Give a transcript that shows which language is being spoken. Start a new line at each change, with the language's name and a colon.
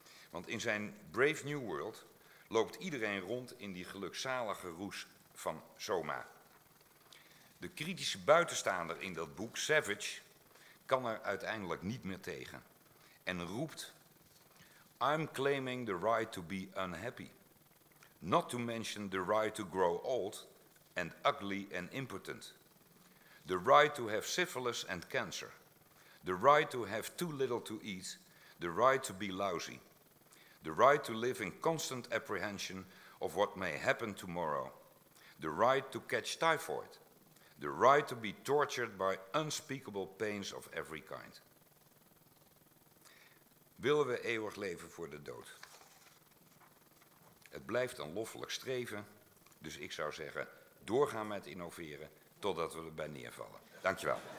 Dutch: Want in zijn Brave New World loopt iedereen rond in die gelukzalige roes van Soma. De kritische buitenstaander in dat boek, Savage, kan er uiteindelijk niet meer tegen en roept:
English: I'm claiming the right to be unhappy. Not to mention the right to grow old and ugly and impotent. The right to have syphilis and cancer. The right to have too little to eat. The right to be lousy. The right to live in constant apprehension of what may happen tomorrow. The right to catch typhoid. The right to be tortured by unspeakable pains of every kind.
Dutch: Willen we eeuwig leven voor de dood? Het blijft een loffelijk streven, dus ik zou zeggen, doorgaan met innoveren totdat we erbij neervallen. Dankjewel.